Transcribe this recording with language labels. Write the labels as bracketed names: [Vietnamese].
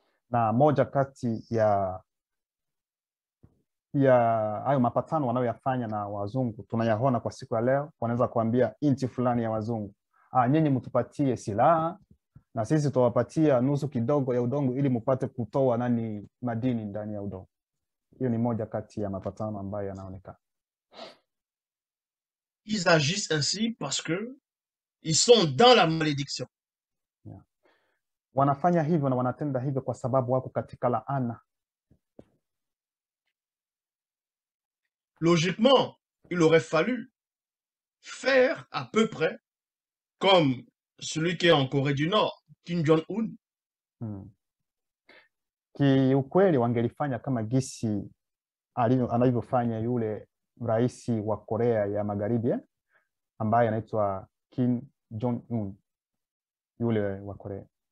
[Swahili] Na moja kati ya hayo mapatano wanayoyafanya na wazungu tunayaona kwa siku ya leo, wanaweza kuambia inchi fulani ya wazungu, nyinyi mtupatie silaha na sisi tutawapatia nusu kidogo ya udongo ili mpate kutoa nani madini ndani ya udongo. Hiyo ni moja kati ya mapatano ambayo yanaonekana. [French] Ils agissent ainsi parce que ils sont dans la malédiction. Yeah. [Swahili] Wanafanya hivyo na wanatenda hivyo kwa sababu wako katika laana. [French] Logiquement, il aurait fallu faire à peu près comme celui qui est en Corée du Nord, Kim Jong-un. [Swahili] Ki ukweli wangelifanya kama gisi anavyofanya yule rais wa Korea ya Magharibi, ambaye anaitwa Kim Jong-un, yule wa Korea.